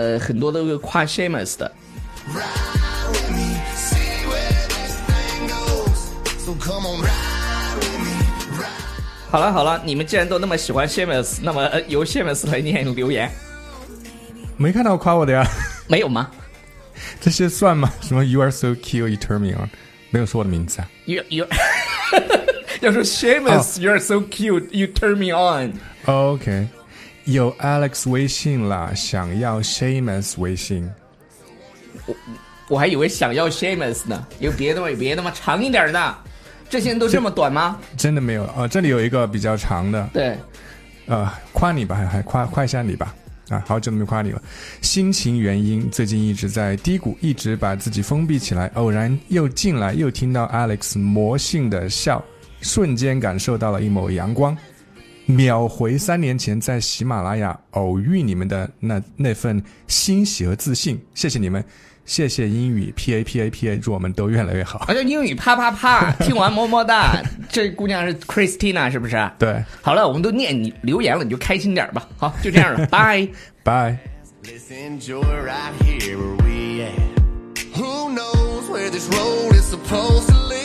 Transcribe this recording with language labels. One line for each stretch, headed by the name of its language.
Chinese: 很多都是夸 Seamus 的。好了，你们既然都那么喜欢 Seamus， 那么、由 Seamus 来念留言。没看到夸我的呀？没有吗？这些算吗？
English: 什么 You are so cute, you turn me on，
Chinese: 没有说我的名字啊。
English: You
Chinese: 要说
English: Seamus，、oh. You are so cute, you turn me on。
Chinese: OK， 有 Alex 微信了，想要 Seamus 微信。我还以为想要 Seamus 呢，有别的吗？长一点的。这些都这么短吗？真的没有、这里有一个比较长的。对，夸你吧，还夸一下你吧。啊，好久没夸你了。心情原因，最近一直在低谷，一直把自己封闭起来，偶然又进来，又听到 Alex 魔性的笑，瞬间感受到了一抹阳光，秒回3年前在喜马拉雅偶遇你们的那份欣喜和自信。谢谢你们。谢谢英语 PAPAPA， 祝我们都越来越好。而且英语啪啪啪，听完么么哒。这姑娘是 Christina 是不是？对，好了，我们都念你留言了，你就开心点吧。好，就这样了。拜拜。
English: Let's enjoy right here where we at. Who knows where this road is supposed to